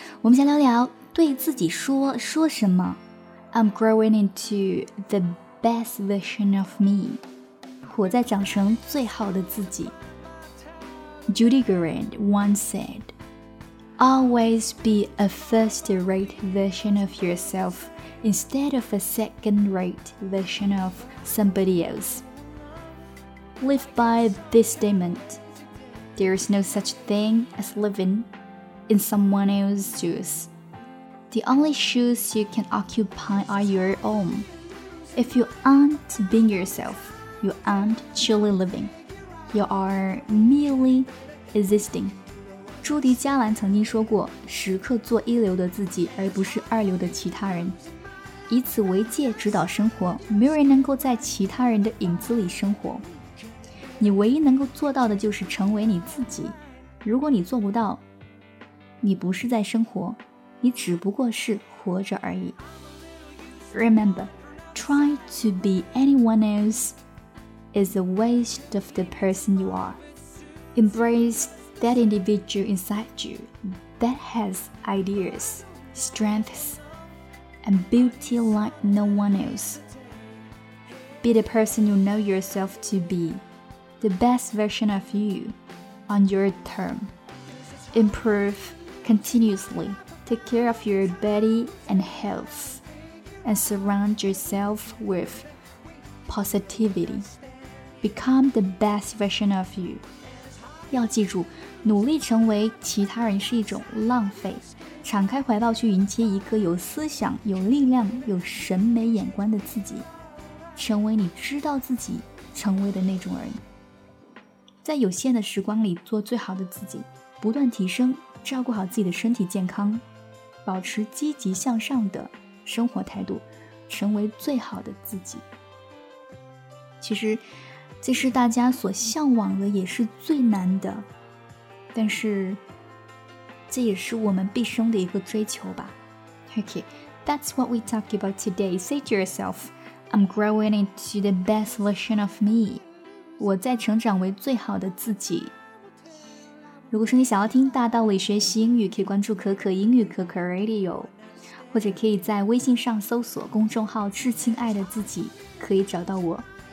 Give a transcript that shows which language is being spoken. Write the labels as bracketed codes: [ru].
[zh] 我们先聊聊对自己说说什么。 [en] I'm growing into the best version of me. [zh] 我在长成最好的自己。 [en] Judy Garland once said, "Always be a first-rate version of yourself." Instead of a second-rate version of somebody else. Live by this statement. There is no such thing as living in someone else's shoes. The only shoes you can occupy are your own. If you aren't being yourself, you aren't truly living. You are merely existing. [zh] 朱迪·加兰曾经说过，时刻做一流的自己，而不是二流的其他人。以此为戒指导生活，没有人能够在其他人的影子里生活。你唯一能够做到的就是成为你自己。如果你做不到，你不是在生活，你只不过是活着而已。 [en] Remember, try to be anyone else is a waste of the person you are. Embrace that individual inside you that has ideas, strengths,and beauty like no one else. Be the person you know yourself to be, the best version of you, on your term. Improve continuously, take care of your body and health, and surround yourself with positivity. Become the best version of you. [zh] 要记住，努力成为其他人是一种浪费。敞开怀抱去迎接一个有思想、有力量、有审美眼光的自己，成为你知道自己成为的那种人。在有限的时光里做最好的自己，不断提升，照顾好自己的身体健康，保持积极向上的生活态度，成为最好的自己。其实，这是大家所向往的，也是最难的，但是这也是我们毕生的一个追求吧。 [en] Okay, that's what we talk about today. Say to yourself, I'm growing into the best version of me. [zh] 我在成长为最好的自己。如果说你想要听大道理学习英语，可以关注可可英语可可 Radio， 或者可以在微信上搜索公众号至亲爱的自己，可以找到我。